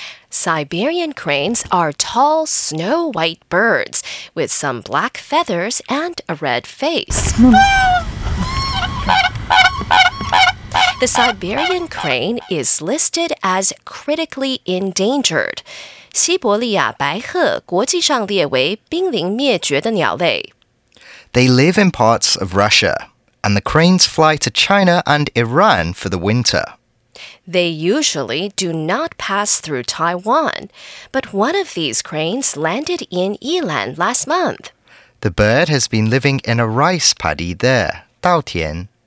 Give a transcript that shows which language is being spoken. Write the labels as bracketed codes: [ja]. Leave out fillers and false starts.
[en] Siberian cranes are tall, snow-white birds with some black feathers and a red face. The Siberian crane is listed as critically endangered. [zh] 西伯利亚白鶴国际上列为濒临灭绝的鸟类。 [en] They live in parts of Russia, and the cranes fly to China and Iran for the winter. They usually do not pass through Taiwan, but one of these cranes landed in Yilan last month. The bird has been living in a rice paddy there, 稻田。